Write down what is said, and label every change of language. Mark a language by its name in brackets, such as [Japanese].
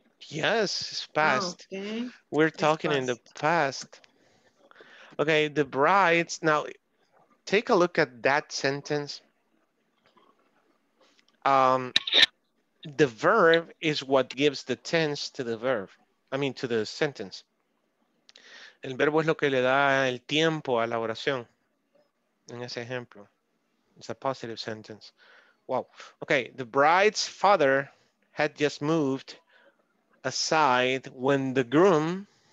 [English] Yes, it's past. Okay. We're talking in the past. Okay, the brides. Now, take a look at that sentence. The verb is what gives the tense to the verb, I mean, to the sentence. [Spanish] El verbo es lo que le da el tiempo a la oración. En ese ejemplo, [English] it's a positive sentence. Wow. Okay, the bride's father had just moved aside when the groom